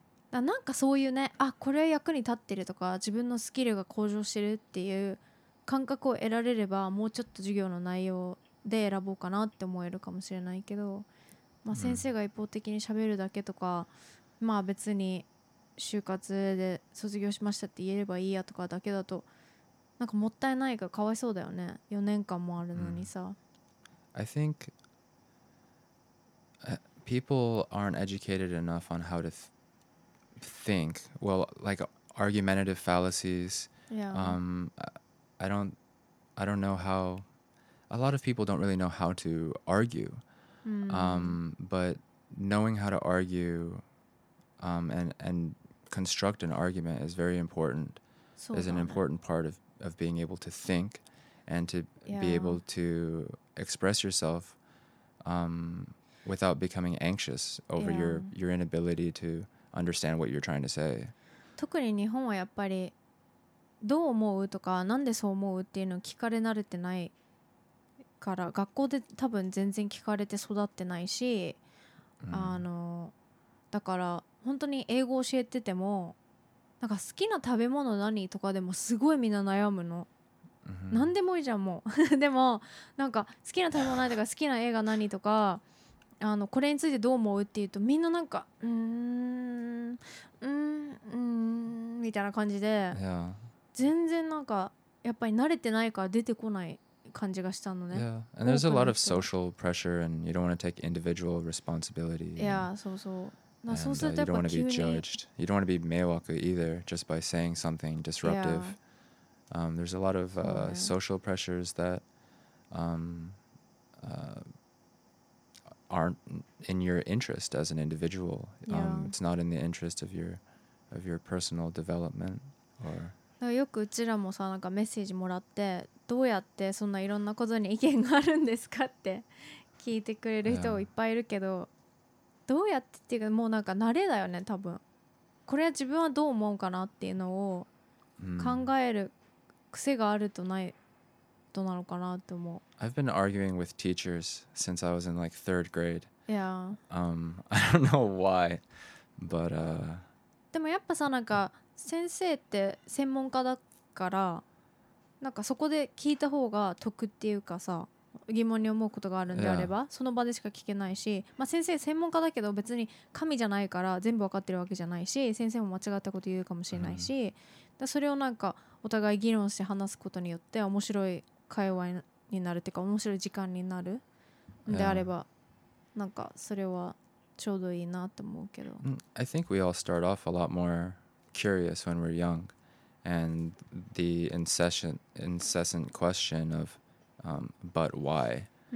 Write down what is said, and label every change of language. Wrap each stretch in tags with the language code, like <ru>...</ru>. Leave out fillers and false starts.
<ja>なんかそういうね、あ、これ役に立ってるとか、自分のスキルが向上してるっていう感覚を得られれば、もうちょっと授業の内容で選ぼうかなって思えるかもしれないけど、まあ先生が一方的に喋るだけとか、まあ別に就活で卒業しましたって言えればいいやとかだけだと、なんかもったいないか、かわいそうだよね、4年間もあるのにさ。</ja> <en>I think people aren't educated enough on how to think. Well, like argumentative fallacies. Yeah. I don't know how. A lot of people don't really know how to argue. But knowing how to argue, and construct an argument is very important. Is an important part of being able to think, and to be able to express yourself. Without becoming anxious over your inability to understand what you're trying to say.</en> <ja>特に日本はやっぱりどう思うとか、なんでそう思うっていうのを聞かれ慣れてないから、学校で多分全然聞かれて育ってないし、だから本当に英語教えてても、なんか好きな食べ物何とかでもすごいみんな悩むの。なんでもいいじゃんもう。でもなんか好きな食べ物何とか好きな映画何とか、これについてどう思うっていうと、みんななんかみたいな感じで、全然なんかやっぱり慣れてないから出てこない感じがしたのね。</ja> <en>Yeah, and there's a lot of social pressure and you don't want to take individual responsibility. Yeah,</en> <ja>そうそう。なそうするとやっぱ急に。</ja> <en>You don't want to be judged. You don't want to be 迷惑 either just by saying something disruptive. Yeah. There's a lot of social pressures that aren't in your interest as an individual. It's not in the interest of your personal development. Or</en> <ja>だからよくうちらもさ、なんかメッセージもらって、どうやってそんないろんなことに意見があるんですかって聞いてくれる人いっぱいいるけど、どうやってっていうか、もうなんか慣れだよね、多分。これは自分はどう思うかなっていうのを考える癖があるとない。</ja> <en>I've been arguing with teachers since I was in like third grade. Yeah. I don't know why, but</en> <ja>でもやっぱさ、なんか先生って専門家だから、なんかそこで聞いた方が得っていうかさ、疑問に思うことがあるんであれば、その場でしか聞けないし、まあ先生専門家だけど別に神じゃないから全部わかってるわけじゃないし、先生も間違ったこと言うかもしれないし、だそれをなんかお互い議論して話すことによって面白い会話になるっていうか、面白い時間になるんであれば、なんかそれはちょうどいいなと思うけど。</ja> <en>I think we all start off a lot more curious when we're young, and the incessant question of but why?</en>